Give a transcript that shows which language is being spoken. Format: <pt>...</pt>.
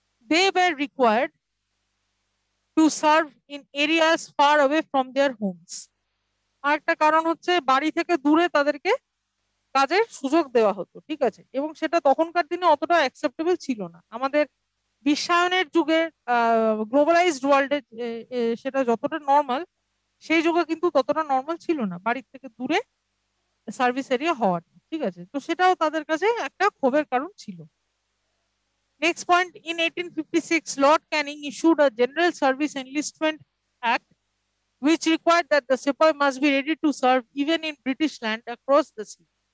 <en>They were required to serve in areas far away from their homes.</en> <bn>আরেকটা কারণ হচ্ছে বাড়ি থেকে দূরে তাদেরকে কাজের সুযোগ দেওয়া হতো, ঠিক আছে, এবং সেটা তখনকার দিনে অতটা অ্যাকসেপ্টেবল ছিল না। আমাদের বিশ্বায়নের যুগে গ্লোবালাইজড ওয়ার্ল্ডে সেটা যতটা নর্মাল, সেই যুগে কিন্তু ততটা নর্মাল ছিল না বাড়ির থেকে দূরে সার্ভিস এরিয়া হওয়াটা, ঠিক আছে। তো সেটাও তাদের কাছে একটা ক্ষোভের কারণ ছিল।</bn> <en>Next point, in 1856, Lord Canning issued a General Service Enlistment Act, which required that the sepoy must be ready to serve even in British land across the sea.</en>